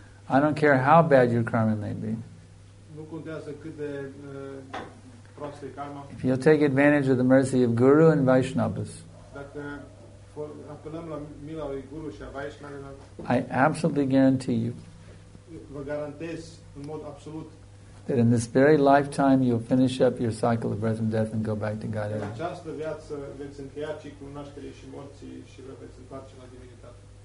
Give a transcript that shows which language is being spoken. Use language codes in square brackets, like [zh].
[en] I don't care how bad your karma may be. [ro] Nu contează cât de proastă e karma. [en] If you'll take advantage of the mercy of Guru and Vaishnavas, [ro] dacă apelăm la mila lui Guru și a Vaishnavas, [en] I absolutely guarantee you, [ro] vă garantez în mod absolut, [en] that in this very lifetime you'll finish up your cycle of birth and death and go back to God. [ro] În această viață veți încheia ciclul nașterii și morții și vă veți întoarce la divinitate.